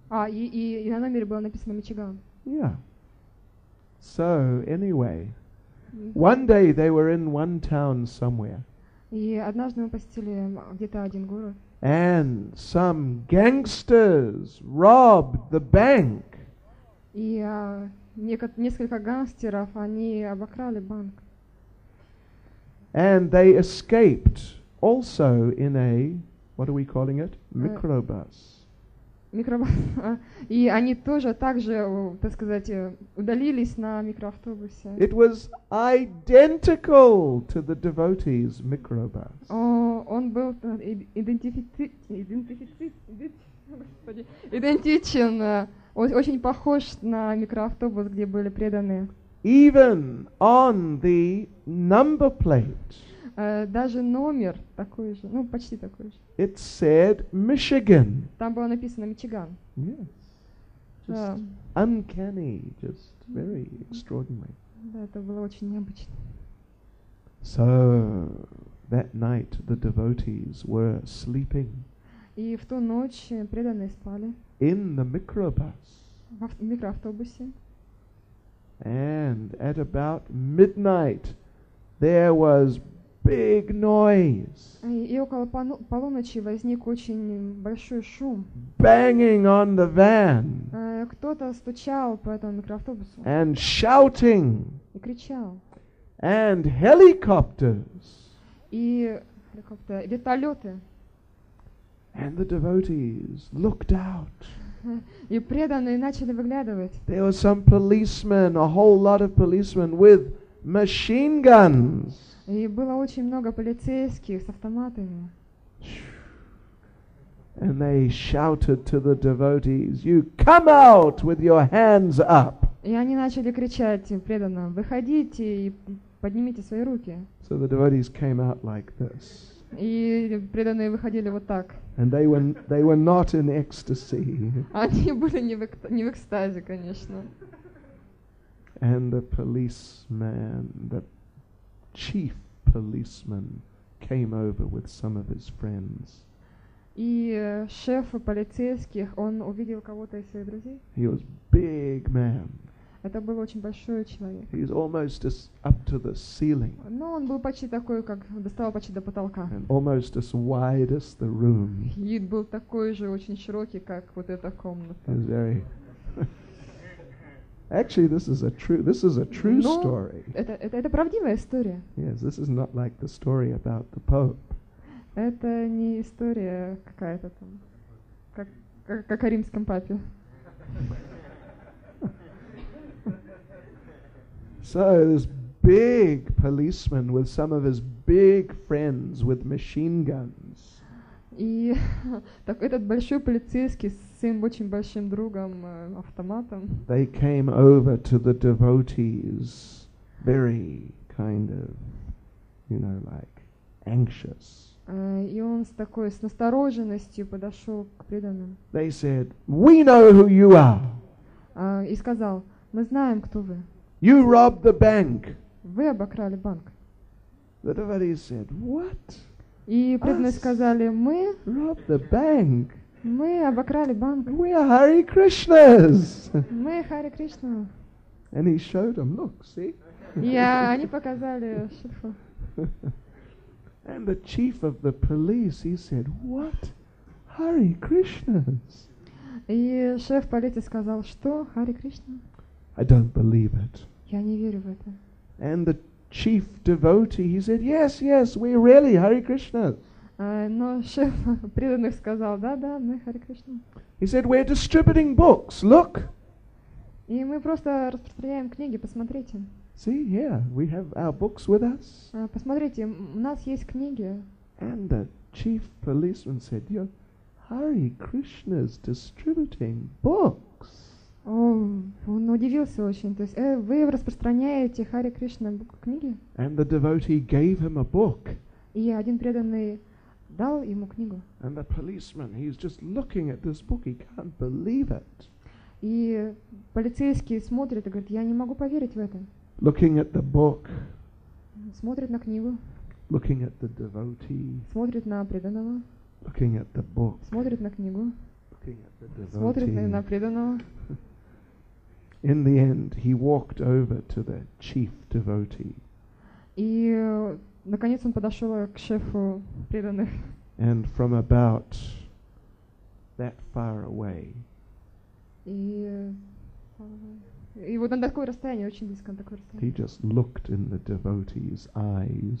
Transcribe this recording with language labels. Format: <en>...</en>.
<ru>И на номере было написано Мичиган.</ru> <en>Yeah. So, anyway, one day they were in one town somewhere.</en> <ru>И однажды мы посетили где-то один город.</ru> <en>And some gangsters robbed the bank.</en> <ru>И несколько гангстеров, они обокрали банк.</ru> <en>And they escaped also in a, what are we calling it? Microbus.</en> <ru>Микробус. И они тоже так же, так сказать, удалились на микроавтобусе.</ru> <en>It was identical to the devotee's microbus.</en> <ru>Он был идентичен, очень похож на микроавтобус, где были преданные.</ru> <en>Even on the number plate.</en> <ru>Даже номер такой же, ну почти такой же.</ru> <en>It said Michigan.</en> <ru>Там было написано Мичиган.</ru> <en>Yes. Just uncanny, just very extraordinary.</en> <ru>Да, это было очень необычно.</ru> <en>So that night the devotees were sleeping.</en> <ru>И в ту ночь преданные спали.</ru> <en>In the microbus.</en> <ru>В микроавтобусе.</ru> <en>And at about midnight there was big noise.</en> <ru>И около полуночи возник очень большой шум.</ru> <en>Banging on the van.</en> <ru>Кто-то стучал по этому микроавтобусу.</ru> <en>And shouting.</en> <ru>И кричал.</ru> <en>And helicopters.</en> <ru>И как-то вертолёты.</ru> <en>And the devotees looked out.</en> <ru>И преданные начали выглядывать.</ru> <en>There were some policemen, a whole lot of policemen with machine guns.</en> <ru>И было очень много полицейских с автоматами.</ru> <en>And they shouted to the devotees, "You come out with your hands up."</en> <ru>И они начали кричать преданным: "Выходите и поднимите свои руки."</ru> <en>So the devotees came out like this.</en> <ru>И преданные выходили вот так.</ru> <en>And they were not in ecstasy.</en> <ru>Они были не в экстазе, конечно.</ru> <en>And the policeman, the chief policeman, came over with some of his friends.</en> <ru>И шеф полицейских, он увидел кого-то из своих друзей.</ru> <en>He was big man.</en> <ru>Это был очень большой человек.</ru> <en>He's almost as up to the ceiling.</en> <ru>Но он был почти такой, как доставал почти до потолка.</ru> <en>And almost as wide as the room.</en> <ru>И был такой же очень широкий, как вот эта комната.</ru> <en>He's very Actually, this is a true story.</en> <ru>Это правдивая история.</ru> <en>Yes, this is not like the story about the Pope.</en> <ru>Это не история какая-то там, как о римском папе.</ru> <en>So this big policeman with some of his big friends with machine guns.</en> <ru>И так этот большой полицейский с своим очень большим другом автоматом.</ru> <en>They came over to the devotees, very kind of, you know, like anxious.</en> <ru>И он с такой с настороженностью подошел к преданным.</ru> <en>They said, "We know who you are."</en> <ru>И сказал: "Мы знаем, кто вы."</ru> <en>You robbed the bank.</en> <ru>Вы обокрали банк.</ru> <en>The devotees said, "What?"</en> <ru>И преданные сказали: "Мы</ru> <en>robbed the bank.</en> <ru>Мы обокрали банк.</ru> <en>We are Hare Krishnas."</en> <ru>Мы Харе Кришна.</ru> <en>And he showed them, "Look, see?"</en> <ru>Они показали шифу.</ru> <en>And the chief of the police, he said, "What? Hare Krishnas?"</en> <ru>И шеф полиции сказал: "Что? Харе Кришна?"</ru> <en>I don't believe it.</en> <ru>Я не верю в это.</ru> <en>And the chief devotee, he said, "Yes, yes, we really Hare Krishna."</en> <ru>Но шеф преданных сказал: "Да, мы Hare Krishna."</ru> <en>He said, "We're distributing books. Look."</en> <ru>И мы просто распространяем книги. Посмотрите.</ru> <en>See, yeah, we have our books with us.</en> <ru>Посмотрите, у нас есть книги.</ru> <en>And the chief policeman said, "You're Hare Krishna's distributing books."</en> <ru>Он удивился очень. То есть, вы распространяете Харе Кришна книги?</ru> <en>And the devotee gave him a book.</en> <ru>И один преданный дал ему книгу.</ru> <en>And the policeman, he's just looking at this book. He can't believe it.</en> <ru>И полицейский смотрит и говорит: я не могу поверить в это.</ru> <en>Looking at the book.</en> <ru>Смотрит на книгу.</ru> <en>Looking at the devotee.</en> <ru>Смотрит на преданного.</ru> <en>Looking at the book.</en> <ru>Смотрит на книгу.</ru> <en>Looking at the devotee.</en> <ru>Смотрит на преданного.</ru> <en>In the end, he walked over to the chief devotee.</en> <ru>И наконец он подошел к шефу преданных.</ru> <en>And from about that far away.</en> <ru>И вот на такое расстояние, очень близко на такое расстояние.</ru> <en>He just looked in the devotee's eyes.</en>